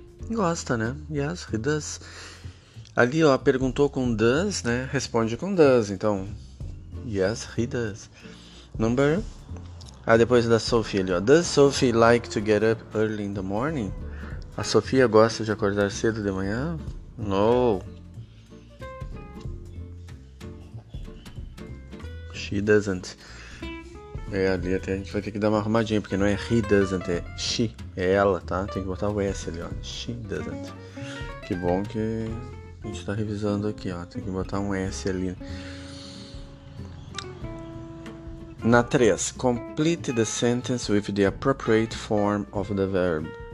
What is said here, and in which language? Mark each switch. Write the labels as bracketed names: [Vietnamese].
[Portuguese] Gosta, né? [English] Yes, he does. [Portuguese] Ali, ó, perguntou com does, né? Responde com does, então. [English] Yes, he does. [Portuguese] Number? Ah, depois da Sophie ali, ó. [English] Does Sophie like to get up early in the morning? [Portuguese] A Sofia gosta de acordar cedo de manhã? [English] No. She doesn't. [Portuguese] É, ali até a gente vai ter que dar uma arrumadinha, porque não é [English] he doesn't, [Portuguese] é she, é ela, tá? Tem que botar o S ali, ó, [English] she doesn't. [Portuguese] Que bom que a gente tá revisando aqui, ó, tem que botar um S ali. Na 3, [English] complete the sentence with the appropriate form of the verb.